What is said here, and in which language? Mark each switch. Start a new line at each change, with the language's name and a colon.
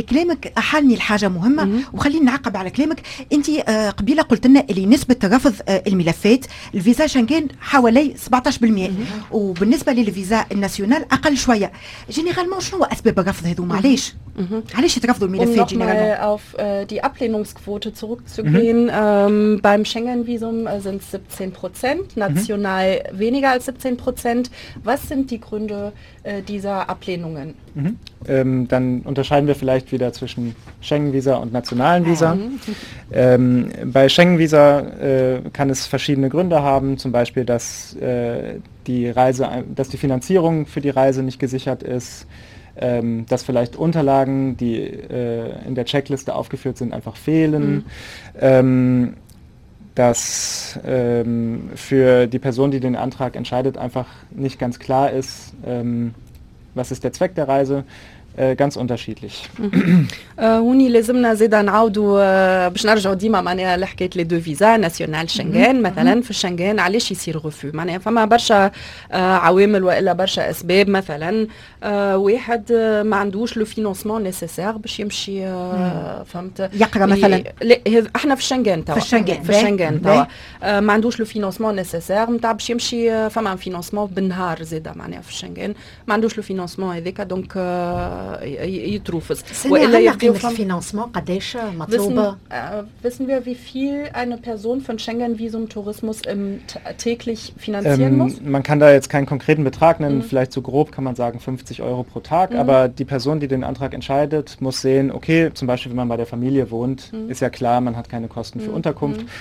Arabic: كلامك احالني الحاجه مهمه وخلينا نعقب على كلامك. انت قبيله قلت لنا اللي نسبه رفض الملفات الفيزا شنغن حوالي 17% وبالنسبه للفيزا الناسيونال اقل شويه. جينيرالمون شنو اسباب الرفض هذو؟ معليش علاش يترفضوا الملفات جينيرالمون؟
German: auf die Ablehnungsquote zurückzugehen, beim Schengen Visum sind 17%, national weniger als 17%. Was sind die Gründe dieser Ablehnungen? Dann unterscheiden wir vielleicht wieder zwischen Schengen-Visa und nationalen Visa. Bei Schengen-Visa kann es verschiedene Gründe haben, zum Beispiel, dass die Reise, dass die Finanzierung für die Reise nicht gesichert ist, dass vielleicht Unterlagen, die in der Checkliste aufgeführt sind, einfach fehlen, dass für die Person, die den Antrag entscheidet, einfach nicht ganz klar ist, was ist der Zweck der Reise? Ganz unterschiedlich.
Arabic: هوني لازمنا زيدا نعاودو باش نرجعو ديما معناها لحكاية لي دو فيزا ناسيونال شنغان مثلا في الشنغان علاش يصير غفو؟ معناها فما برشا عوامل والا برشا اسباب مثلا واحد ما عندوش
French: لو فينونسمون نيسيسار
Arabic: باش يمشي فهمت يقرا مثلا احنا في الشنغان توا في الشنغان توا ما عندوش
French: لو فينونسمون نيسيسار
Arabic: نتاع باش يمشي فما فينونسمون بالنهار زيدا معناها في الشنغان ما عندوش لو فينونسمون هذاك دونك يتروفز. والا يقيو في الفينانسمون قداش مطلوبه؟
German: wissen wir wie viel eine Person von Schengen Visum Tourismus täglich finanzieren muss? Man kann da jetzt keinen konkreten Betrag nennen, vielleicht zu grob kann man sagen 50 Euro pro Tag, aber die Person, die den Antrag entscheidet, muss sehen, okay, zum Beispiel wenn man bei der Familie wohnt, ist ja klar, man hat keine Kosten für Unterkunft.